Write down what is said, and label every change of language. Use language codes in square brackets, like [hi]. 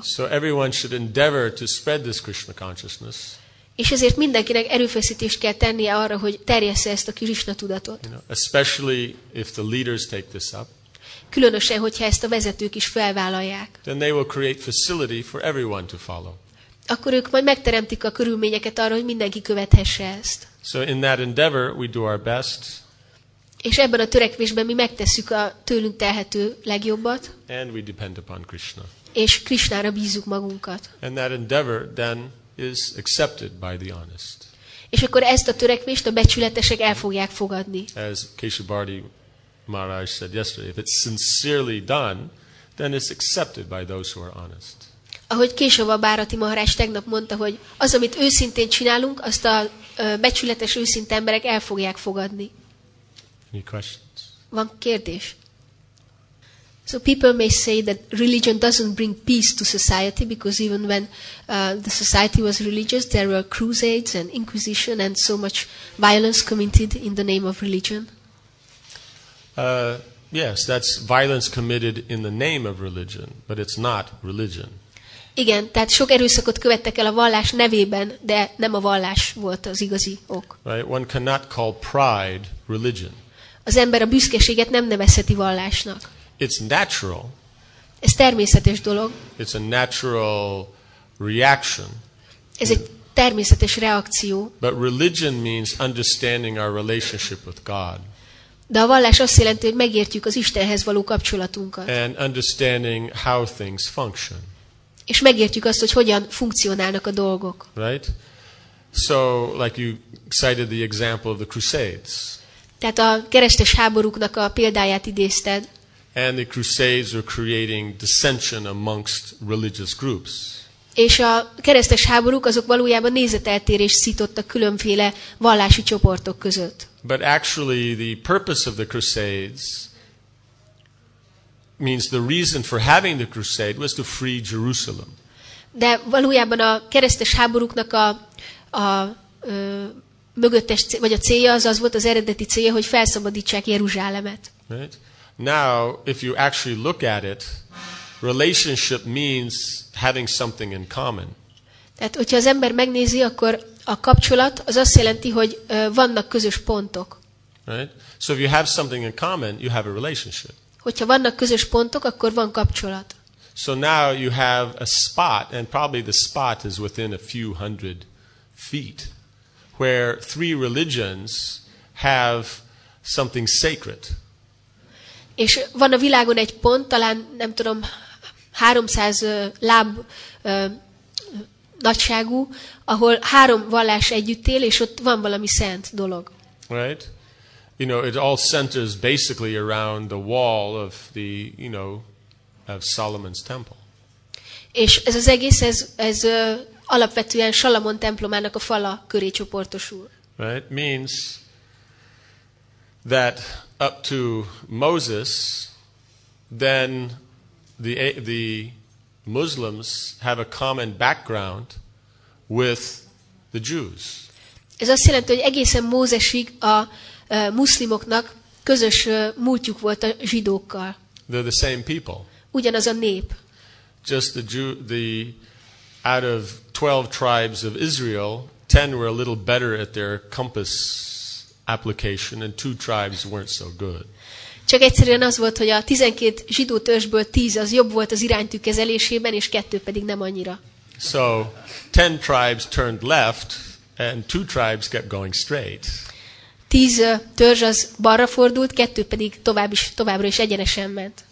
[en] So everyone should endeavor to spread this Krishna consciousness. [hu] És ezért mindenkinek erőfeszítést kell tennie arra, hogy terjessze ezt a Krisna tudatot. [en] You know, especially if the leaders take this up. [hu] Különösen, hogyha ezt a vezetők is felvállalják. [en] Then they will create facility for everyone to follow. [hu] Akkor ők majd megteremtik a körülményeket arra, hogy mindenki követhesse ezt. [en] So in that endeavor we do our best. [hu] És ebben a törekvésben mi megtesszük a tőlünk telhető legjobbat. [en] And we depend upon Krishna. [hu] És Krisnára bízunk magunkat. [en] And that endeavor then is accepted by the honest. [hu] És akkor ezt a törekvést a becsületesek el fogják fogadni. [en] As Keshav Bharati Maharaj said yesterday, if it's sincerely done, then it's accepted by those who are honest. [hu] Ahogy Keshav Bharati Maharaj tegnap mondta, hogy az, amit őszintén csinálunk, azt a becsületes őszinte emberek el fogják fogadni. [en] Any questions? [hu] Van kérdés? [en] So people may say that religion doesn't bring peace to society because even when the society was religious, there were crusades and inquisition and so much violence committed in the name of religion. Yes, that's violence committed in the name of religion, but it's not religion. [hu] Igen, tehát sok erőszakot követtek el a vallás nevében, de nem a vallás volt az igazi ok. [en] Right, one cannot call pride religion. [hu] Az ember a büszkeséget nem nevezheti vallásnak. [en] It's natural. [hu] Ez természetes dolog. [en] It's a natural reaction. [hu] Ez egy természetes reakció. [en] But religion means understanding our relationship with God. [hu] De a vallás azt jelenti, hogy megértjük az Istenhez való kapcsolatunkat. [en] And understanding how things function. [hu] És megértjük azt, hogy hogyan funkcionálnak a dolgok. [en] Right? So, like you cited the example of the Crusades. [hu] Tehát a keresztes háborúknak a példáját idézted. [en] And the Crusades were creating dissension amongst religious groups. [hu] És a keresztes háborúk azok valójában nézeteltérést szítottak különféle vallási csoportok között. [en] But actually the purpose of the Crusades means the reason for having the Crusade was to free Jerusalem. [hu] De valójában a keresztes háborúknak a mögöttes vagy a célja az volt, az eredeti célja, hogy felszabadítsák Jeruzsálemet. [en] Right? Now, if you actually look at it, relationship means having something in common. [hu] Tehát, hogyha az ember megnézi, akkor a kapcsolat az azt jelenti, hogy vannak közös pontok. [en] Right? So if you have something in common, you have a relationship. [hu] Hogyha vannak közös pontok, akkor van kapcsolat. [en] So now you have a spot, and probably the spot is within a few hundred feet, where three religions have something sacred. [hu] És van a világon egy pont, talán nem tudom, 300 láb nagyságú, ahol három vallás együtt él, és ott van valami szent dolog. [en] Right? You know, it all centers basically around the wall of the, you know, of Solomon's temple. [hu] És ez az egész, ez alapvetően Salamon templomának a fala köré csoportosul. [en] Right? Means that up to Moses, then the Muslims have a common background with the Jews. [hu] Ez azt jelenti, hogy egészen Mózesig a muszlimoknak közös múltjuk volt a zsidókkal. [en] They're the same people. [hu] Ugyanaz a nép. [en] Just the out of 12 tribes of Israel, 10 were a little better at their compass application, and 2 tribes weren't so good. [hu] Csak egyszerűen az volt, hogy a 12 zsidó törzsből 10 az jobb volt az iránytű kezelésében, és 2 pedig nem annyira. [en] So 10 tribes turned left, and 2 tribes kept going straight. [hu] 10 törzs az balra fordult, 2 pedig továbbra is egyenesen ment.